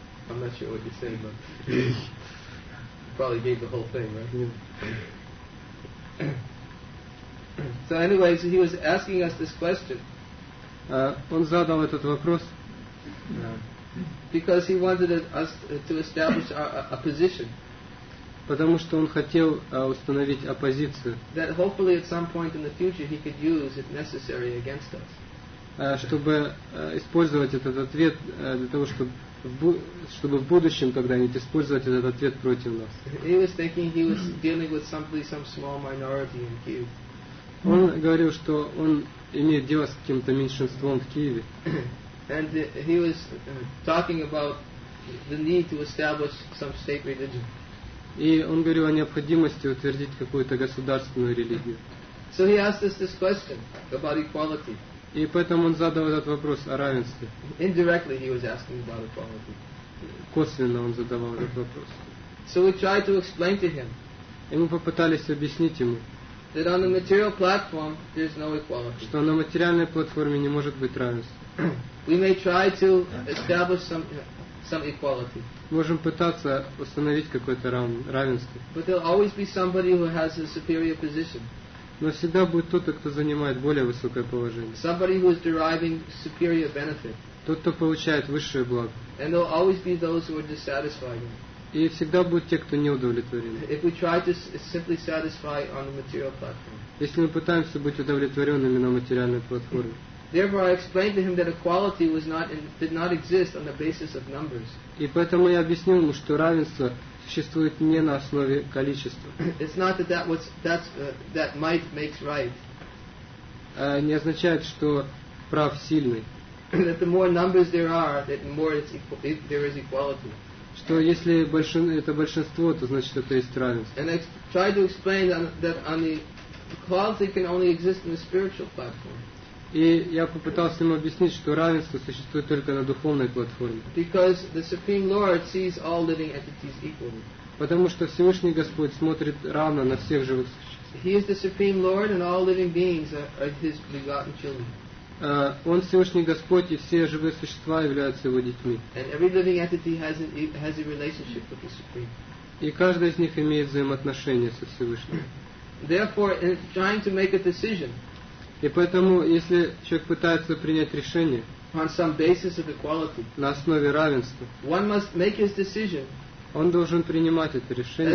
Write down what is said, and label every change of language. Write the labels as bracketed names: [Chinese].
[English] I'm not sure what you're saying, but you probably gave the whole thing, right? Yeah. So anyways, he was asking us this question. [Russian] Он задал этот вопрос. [English] Because he wanted us to establish a position. [Russian] Потому что он хотел установить оппозицию. [English] That hopefully at some point in the future he could use if necessary against us. [Russian] Чтобы использовать этот ответ для того, чтобы в будущем когда-нибудь использовать этот ответ против нас. [English] He was thinking he was dealing with some small minority in Kiev. [Russian] Он говорил, что он имеет дело с каким-то меньшинством в Киеве. [English] And he was talking about the need to establish some state religion. [Russian] И он говорил о необходимости утвердить какую-то государственную религию. [English] So he asked us this question about equality. [Russian] И поэтому он задал этот вопрос о равенстве. [English] Indirectly he was asking about equality. [Russian] Косвенно он задавал этот вопрос. [English] So we tried to explain to him. [Russian] И мы попытались объяснить ему. [English] That on the material platform there is no equality. [Russian] Что на материальной платформе не может быть равенства. [English] We may try to establish some equality. [Russian] Можем пытаться установить какое-то равенство. [English] But there'll always be somebody who has a superior position. [Russian] Но всегда будет тот, кто занимает более высокое положение. [English] Somebody who is deriving superior benefit. [Russian] Тот, кто получает высшее благо. [English] And there'll always be those who are dissatisfied. [Russian] И всегда будут те, кто не удовлетворен. [English] If we try to simply satisfy on the material platform. [Russian] Если мы пытаемся быть удовлетворенными на материальной платформе. [English] Therefore, I explained to him that equality was not did not exist on the basis of numbers. [Russian] И поэтому я объяснил ему, что равенство существует не на основе количества. [English] It's not that might makes right. [Russian] Не означает, что прав сильный. [English] That the more numbers there are, that more there is equality. [Russian] Что если это большинство, то значит это есть равенство. [English] And I tried to explain that on the equality can only exist in the spiritual platform. [Russian] И я попытался ему объяснить, что равенство существует только на духовной платформе. [English] Because the Supreme Lord sees all living entities equally. [Russian] Потому что Всевышний Господь смотрит равно на всех живых существ. [English] He is the Supreme Lord and all living beings are His begotten children. [Russian] Он Всевышний Господь, и все живые существа являются Его детьми. [English] And every living entity has a relationship with the Supreme. [Russian] И каждый из них имеет взаимоотношения со Всевышним. [English] Therefore, in trying to make a decision. [Russian] И поэтому, если человек пытается принять решение [English] on some basis of equality, [Russian] на основе равенства, [English] one must make his decision, [Russian] он должен принимать это решение